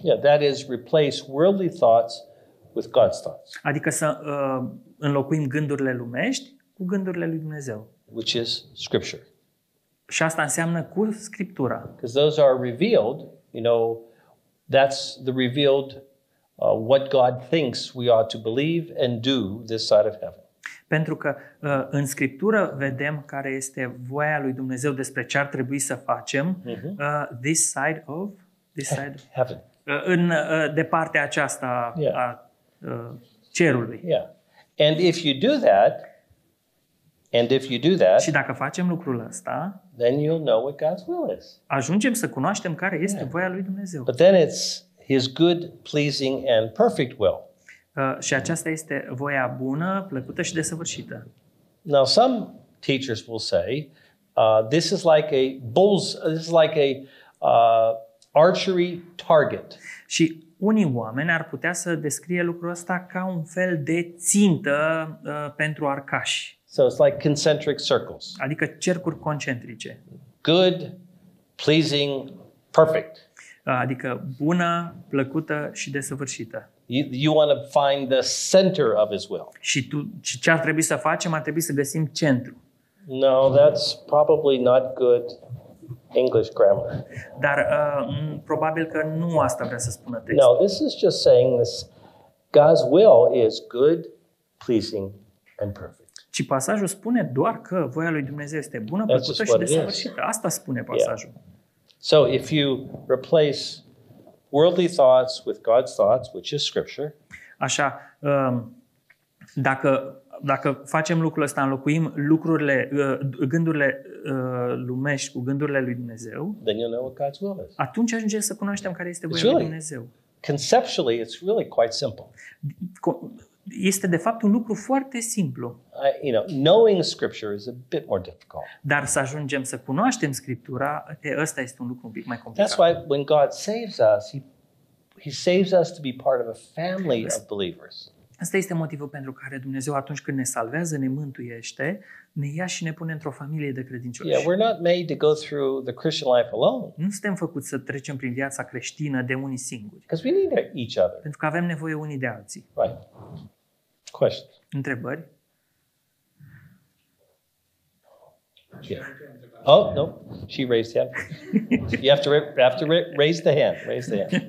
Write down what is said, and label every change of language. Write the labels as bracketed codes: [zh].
[en] Yeah, that is replace worldly thoughts with God's thoughts. [ro] Adică să înlocuim gândurile lumești cu gândurile lui Dumnezeu. [en] Which is scripture. [ro] Și asta înseamnă cu Scriptura. [en] Because those are revealed, you know, that's the revealed what God thinks we ought to believe and do this side of heaven. [ro] Pentru că în Scriptură vedem care este voia lui Dumnezeu despre ce ar trebui să facem [en] this side of heaven. [ro] De partea aceasta a cerului. [en] Yeah. And if you do that, [ro] și dacă facem lucrul ăsta, [en] then you'll know what God's will is. [ro] Ajungem să cunoaștem care este voia lui Dumnezeu. [en] But then it's his good, pleasing and perfect will. [ro] Și aceasta este voia bună, plăcută și desăvârșită. [en] Now some teachers will say, this is like a archery target. [ro] Și unii oameni ar putea să descrie lucrul ăsta ca un fel de țintă pentru arcași. [en] So it's like concentric circles. [ro] Adică cercuri concentrice. [en] Good, pleasing, perfect. [ro] Adică bună, plăcută și desăvârșită. [en] You want to find the center of his will. [ro] Și tu ce ar trebui să facem? Ar trebui să găsim centru. [en] No, that's probably not good English grammar. [ro] Dar probabil că nu asta vrea să spună textul. [en] No, this is just saying this God's will is good, pleasing and perfect. [ro] Ci pasajul spune doar că voia lui Dumnezeu este bună, plăcută și desăvârșită. Asta spune pasajul. Yeah. [en] So if you replace worldly thoughts with God's thoughts, which is scripture. [ro] Așa, dacă facem lucrul ăsta, înlocuim lucrurile gândurile lumești cu gândurile lui Dumnezeu, [en] then you know what God's will is. [ro] Atunci ajungem să cunoaștem care este voia lui Dumnezeu. [en] Conceptually, it's really quite simple. [ro] Este de fapt un lucru foarte simplu. [en] Knowing scripture is a bit more difficult. [ro] Dar să ajungem să cunoaștem Scriptura, ăsta este un lucru un pic mai complicat. [en] That's why when God saves us, he saves us to be part of a family of believers. [ro] Asta este motivul pentru care Dumnezeu atunci când ne salvează, ne mântuiește, ne ia și ne pune într-o familie de credincioși. [en] Yeah, we're not made to go through the Christian life alone. [ro] Nu suntem făcuți să trecem prin viața creștină de unii singuri. [en] Because we need each other. [ro] Pentru că avem nevoie unii de alții. [en] Right. Questions. [ro] Întrebări? [en] Yeah. Oh, no. She raised hand. You have to raise the hand. Raise the hand.